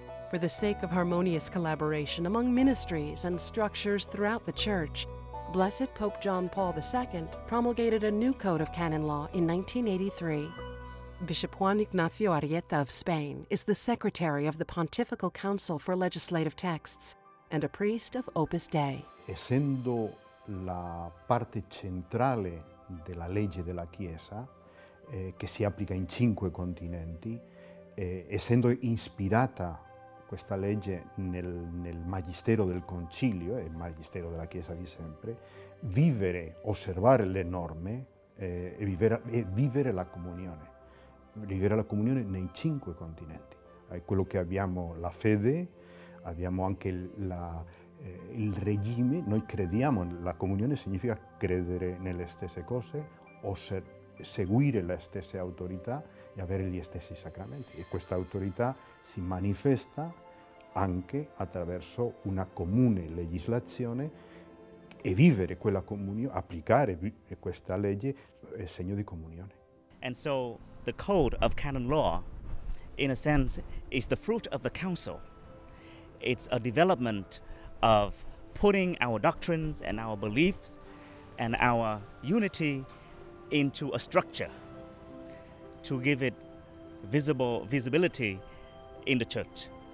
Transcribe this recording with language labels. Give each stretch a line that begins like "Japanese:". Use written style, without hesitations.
English: For the sake of harmonious collaboration among ministries and structures throughout the Church, Blessed Pope John Paul II promulgated a new code of canon law in 1983. Bishop Juan Ignacio Arrieta of Spain is the secretary of the Pontifical Council for Legislative Texts and a priest of Opus Dei.
Italian: Essendo la parte centrale della legge della Chiesa, che si applica in cinque continenti, essendo ispirata questa legge nel Magistero del Concilio, e il Magistero della Chiesa di sempre, vivere, osservare le norme e vivere la comunione. Vivere la comunione nei cinque continenti. È quello che abbiamo la fede, abbiamo anche il regime, noi crediamo, la comunione significa credere nelle stesse cose, seguire le stesse autorità e avere gli stessi sacramenti. E questa autorità si manifesta anche attraverso una comune legislazione e vivere quella comunione, applicare questa legge è segno di comunione.
English: And so the code of canon law, in a sense, is the fruit of the council. It's a development of putting our doctrines and our beliefs and our unity into a structure to give it visibility in the church.